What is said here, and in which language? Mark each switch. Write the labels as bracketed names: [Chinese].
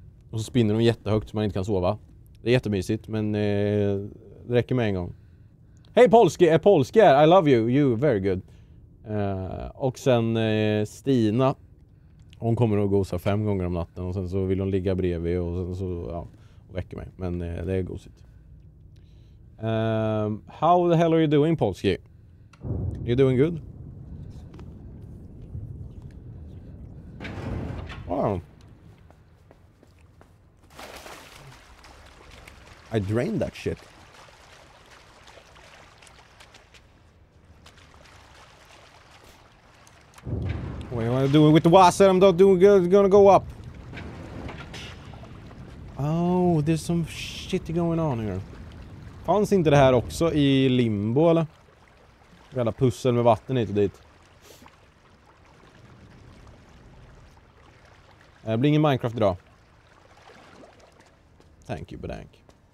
[Swedish] Och så spinner de jättehögt så man inte kan sova. Det är jättemysigt, men det räcker med en gång. Hej Polski, är Polski här? [English] I love you. You very good. [Swedish] Och sen Stina, hon kommer att gosa 5 gånger om natten och sen så vill hon ligga bredvid och sen så ja, och väcker mig, men det är gosigt. [English] How the hell are you doing, Polski? You doing good? Wow. I drained that shit. What am I doing with the water? I'm not doing good. It's gonna go up. Oh, there's some shit going on here. [Swedish] Fanns inte det här också i Limbo eller? Jävla pussel med vatten hit och dit. Det blir ingen Minecraft idag. [English] Thank you, Bedank.